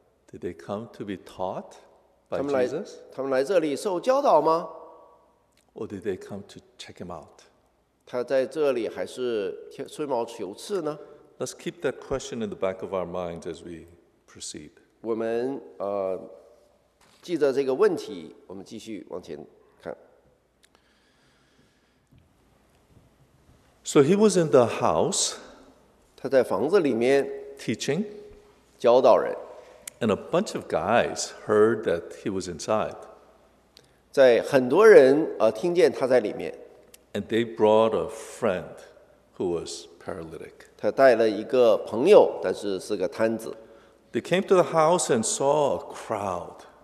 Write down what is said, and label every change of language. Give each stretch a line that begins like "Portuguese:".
English: Did they come to be taught by
Chinese: 他们来,
English: Jesus?
Chinese: 他们来这里受教导吗?
English: Or did they come to check him out?
Chinese: 他在这里还是吹毛求疵呢?
English: Let's keep that question in the back of our minds as we proceed.
Chinese: 我们, 记着这个问题, 我们继续往前看。
English: So he was in the house,
Chinese: 他在房子里面,
English: teaching,
Chinese: 教导人,
English: and a bunch of guys heard that he was inside.
Chinese: 在很多人, 听见他在里面,
English: and they brought a friend who was paralytic.
Chinese: 他带了一个朋友,
English: they came to the house and saw a crowd.